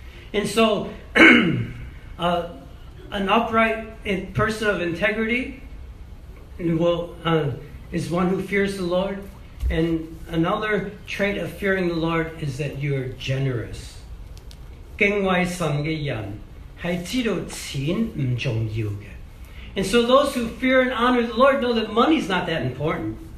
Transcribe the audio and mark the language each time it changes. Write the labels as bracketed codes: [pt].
[en] And so, an upright person of integrity will, is one who fears the Lord. And another trait of fearing the Lord is that you're generous. [zh] 敬畏神的人是知道钱不重要的. [en] And so those who fear and honor the Lord know that money's not that important.